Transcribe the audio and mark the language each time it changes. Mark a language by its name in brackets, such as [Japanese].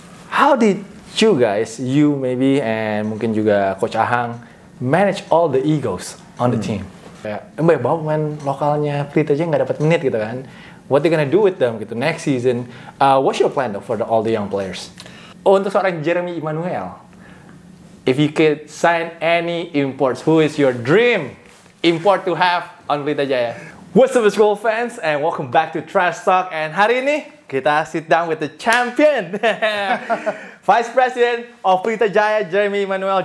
[English] How did you guys, you maybe and [Indonesian] mungkin juga [English] Coach Ahang manage all the egos on the team? [Indonesian] Kayak, "Mbak, bawa pemain lokalnya Prit aja enggak dapat menit gitu kan. [English] What they gonna do with them gitu next season? What's your plan though for the, all the young players?" [Indonesian] Oh, untuk seorang Jeremy Emmanuel. [English] If you could sign any imports, who is your dream import to have on Pelita Jaya? What's up, school fans, and welcome back to Trash Talk. And [Indonesian] hari ini kita [English] sit down with the champion, Vice President of Pelita Jaya, Jeremy Emmanuel.